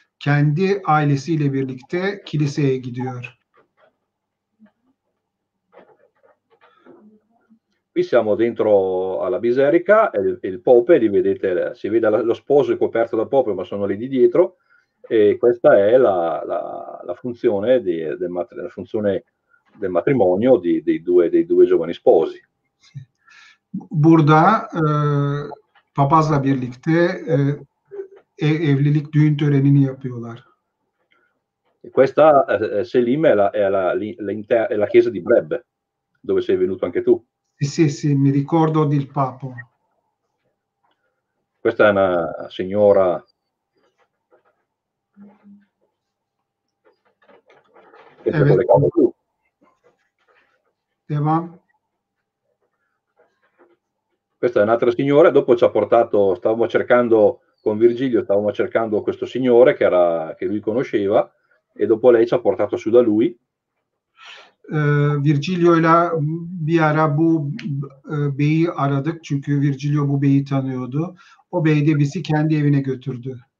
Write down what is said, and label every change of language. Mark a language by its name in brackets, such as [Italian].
[Turkish] kendi ailesiyle birlikte kiliseye gidiyor. [Italian] Qui siamo dentro alla Biserica, il Pope, li vedete, si vede lo sposo coperto dal Pope, ma sono lì di dietro, e questa è la funzione del matrimonio dei due giovani sposi. [Turkish] Burada papazla birlikte evlilik düğün törenini yapıyorlar. [Italian] Questa Selim è la chiesa di Brebbe, dove sei venuto anche tu. Sì, mi ricordo del Papa. Questa è una signora. [Turkish] Evet. Devam. [Italian] Questa è un'altra signora, dopo ci ha portato, stavamo cercando con Virgilio, stavamo cercando questo signore che lui conosceva, e dopo lei ci ha portato su da lui. [Turkish] Virgilio'yla bir ara bu beyi aradık çünkü Virgilio bu beyi tanıyordu. O bey de bizi kendi evine götürdü.